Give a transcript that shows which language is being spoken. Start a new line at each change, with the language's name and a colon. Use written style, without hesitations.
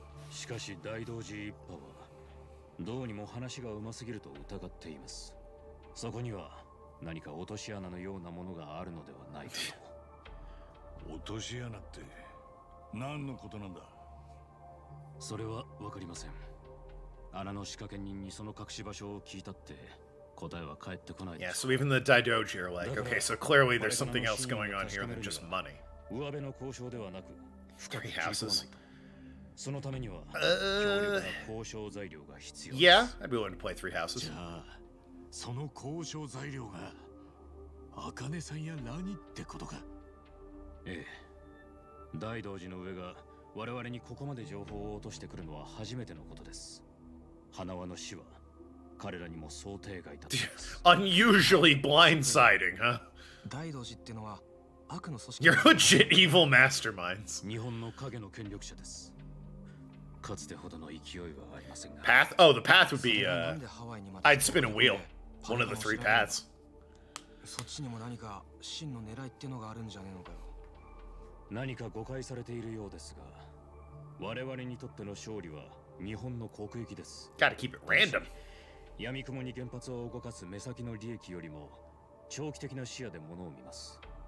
Japanese: しかし大道寺一派はどうにも話がうますぎると疑っています。そこには何か落とし穴のようなものがあるのではないかと。落とし穴って何のことなんだ。それは分かりません。穴の仕掛け人にその隠し場所を聞いたって答えは返ってこない。
English: Yeah, so even the Daidoji are like, okay, so clearly there's something else going on here than just money.
Japanese: 上辺の交渉ではなく、
English: Three houses.
Japanese: そのためには、強力な交渉材料が必要。
English: Yeah, I'd be willing to play three houses.
Japanese: じゃあ、その交渉材料が、茜さんや何ってことか。ええ。 Daidoji の上が、我々にここまで情報を落としてくるのは初めてのことです。花輪の死は、彼らにも想定外だった。
English: Unusually blindsiding, huh?
Japanese: Daidoji ってのは、悪の組織。
English: You're legit evil masterminds.
Japanese: 日本の影の権力者です。かつてほどの勢いはありませんが。
English: Path? Oh, the path would be, I'd spin a wheel. One of the three paths.
Japanese: そっちにも何か真の狙いってのがあるんじゃねえのかよ。何か誤解されているようですが、我々にとっての勝利は日本の国益です。
English: Gotta keep it random.
Japanese: 闇雲に原発を動かす目先の利益よりも長期的な視野で物を見ます。